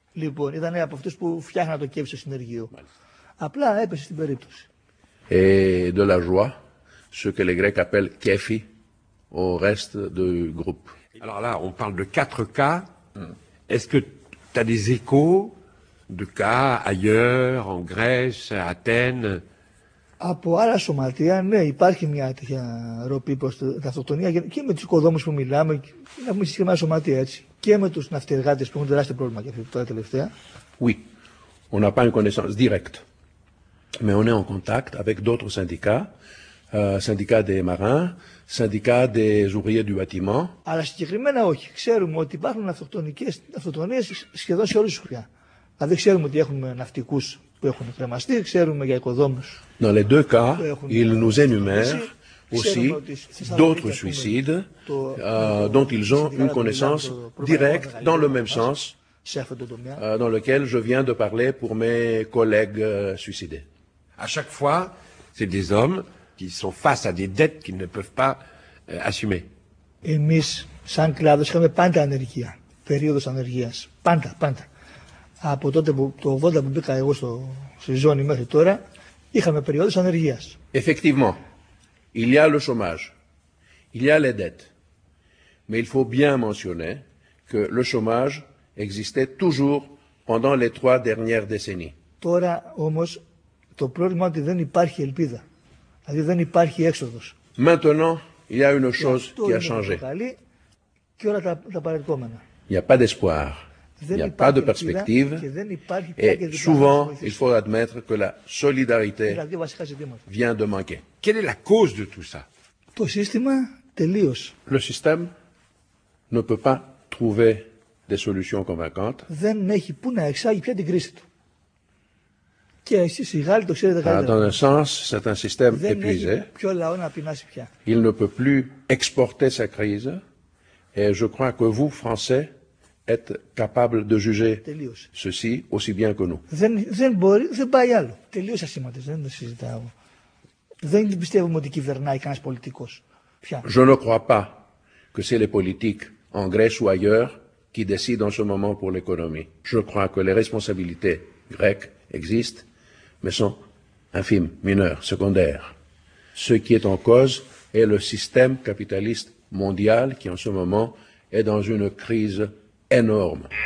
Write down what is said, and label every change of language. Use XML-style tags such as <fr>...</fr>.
<el>Λοιπόν, ήταν από αυτούς που φτιάχναν το κέφι στο συνεργείο. Απλά έπεσε στην περίπτωση.</el> <fr>Et de la joie, ce que les Grecs appellent kefi, au reste du groupe. Alors là, on parle de 4 cas. Est-ce que tu as des échos de cas ailleurs, en Grèce, à Athènes?</fr> <el>Από άλλα σωματεία, ναι, υπάρχει μια τέτοια ροπή προς την αυτοκτονία και με τους οικοδόμους που μιλάμε, έχουμε συγκεκριμένα σωματεία έτσι. Και με τους ναυτεργάτες που έχουν τεράστιο πρόβλημα και αυτή τώρα τελευταία.</el> <fr>Oui, on n'a pas une connaissance directe. Mais on est en contact avec d'autres syndicats, syndicats des marins, syndicats des ouvriers du bâtiment.</fr> <el>Αλλά συγκεκριμένα όχι. Ξέρουμε ότι υπάρχουν αυτοκτονίες σχεδόν σε όλη τη χώρα. Δηλαδή ξέρουμε ότι έχουμε ναυτικούς που έχουν κρεμαστεί, ξέρουμε για οικοδόμους.</el> <fr>Dans les deux cas, ils nous énumèrent aussi d'autres suicides dont ils ont une connaissance directe dans le même sens. Dans lequel je viens de parler pour mes collègues suicidés. À chaque fois, c'est des hommes qui sont face à des dettes qu'ils ne peuvent pas assumer.</fr> <el>Εμείς, σαν κλάδος, είχαμε πάντα ανεργία. περίοδος ανεργίας. Πάντα, πάντα. Από τότε που το 80 που μπήκα εγώ στη ζώνη μέχρι τώρα, είχαμε περίοδος ανεργίας.</el> <fr>Effectivement. Il y a le chômage. Il y a les dettes. Mais il faut bien mentionner que le chômage existait toujours pendant les trois dernières décennies.</fr> <el>Τώρα όμως το πρόβλημα ότι δεν υπάρχει ελπίδα. Δηλαδή δεν υπάρχει έξοδος.</el> <fr>Maintenant, il y a une chose qui a changé.</fr> <el>Και όλα τα παρελκόμενα.</el> <fr>Il n'y a pas d'espoir. Il n'y a pas de perspective. Et souvent, il faut admettre que la solidarité vient de manquer. Quelle est la cause de tout ça?</fr> <el>Το σύστημα τελείως.</el> <fr>Le système ne peut pas trouver des solutions convaincantes.</fr> <el>Δεν έχει που να εξάγει πια την κρίση του. Και εσείς οι Γάλλοι το ξέρετε καλύτερα.</el> <fr>Dans un sens, c'est un système</fr> <el>δεν</el> <fr>épuisé.</fr> <el>Δεν έχει πιο λαό να πεινάσει πια.</el> <fr>Il ne peut plus exporter sa crise. Et je crois que vous, Français, êtes capable de juger</fr> <el>τελείωσε.</el> <fr>Ceci aussi bien que nous.</fr> <el>Δεν μπορεί, δεν πάει άλλο. Τελείωσε ασήμαντε, δεν το συζητάω. Δεν πιστεύουμε ότι κυβερνάει κανένας πολιτικός. Πια.</el> <fr>Je ne crois pas que c'est les politiques en Grèce ou ailleurs qui décident en ce moment pour l'économie. Je crois que les responsabilités grecques existent, mais sont infimes, mineures, secondaires. Ce qui est en cause est le système capitaliste mondial qui en ce moment est dans une crise énorme.</fr>